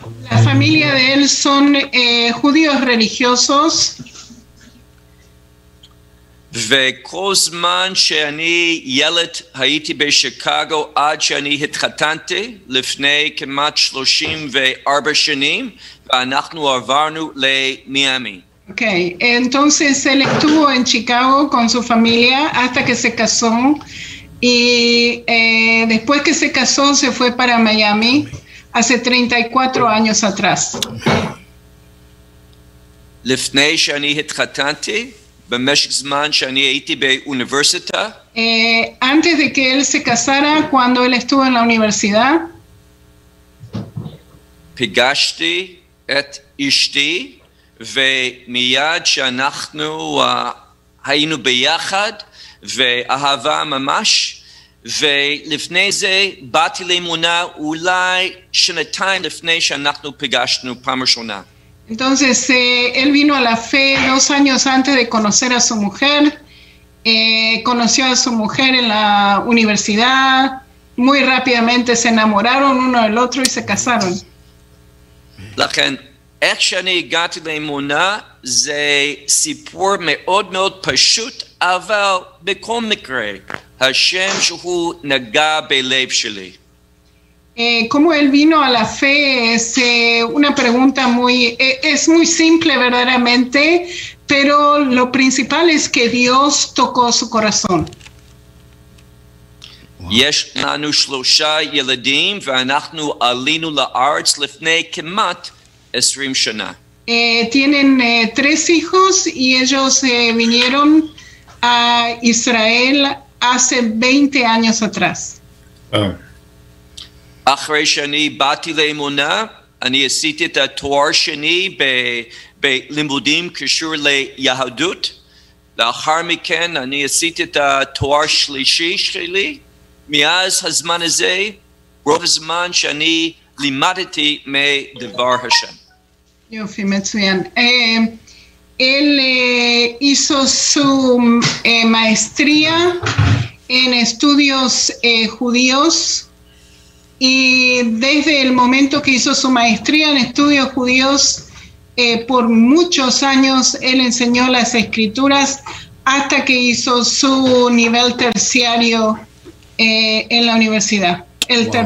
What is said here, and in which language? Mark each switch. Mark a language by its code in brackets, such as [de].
[es] La familia de él son judíos religiosos. [he] וכל זמן שאני ילד הייתי בשיקגו עד שאני התחתנתי לפני כמעט 34 שנים, ואנחנו עברנו למיאמי. [es] Okay, entonces él estuvo en Chicago con su familia hasta que se casó. Y después que se casó, se fue para Miami hace 34 años atrás. [he] לפני שאני התחתנתי, במשך זמן שאני הייתי באוניברסיטה. [es] Antes de que él se casara, cuando él estuvo en la universidad. [he] פגשתי את אשתי, ומיד שאנחנו היינו ביחד, ואהבה ממש. ולפני זה באתי לאמונה אולי שנתיים לפני שאנחנו פגשנו פעם ראשונה. [es] Entonces, él vino a la fe dos años antes de conocer a su mujer. Conoció a su mujer en la universidad. Muy rápidamente se enamoraron uno del otro y se casaron. [he] לכן, איך שאני הגעתי לאמונה זה סיפור מאוד מאוד פשוט, אבל בכל מקרה, השם שהוא נגע בלב שלי. [es] Como él vino a la fe es una pregunta muy simple verdaderamente, pero lo principal es que Dios tocó su corazón. [he] יש לנו שלושה ילדים ואנחנו עלינו לארץ לפני כמעט 20 שנה. [es] Tienen tres hijos y ellos vinieron a Israel hace 20 años atrás. [he] אחרי שאני באתי לאמונה, אני עשיתי את התואר שני בלימודים קשור ליהדות. לאחר מכן אני עשיתי את התואר שלישי שלי. מאז הזמן הזה, רוב הזמן שאני לימדתי מדבר השם. יופי, מצוין. [es] Él hizo su maestría en estudios judíos y desde el momento que hizo su maestría en estudios judíos, por muchos años él enseñó las escrituras hasta que hizo su nivel terciario en la universidad, el wow.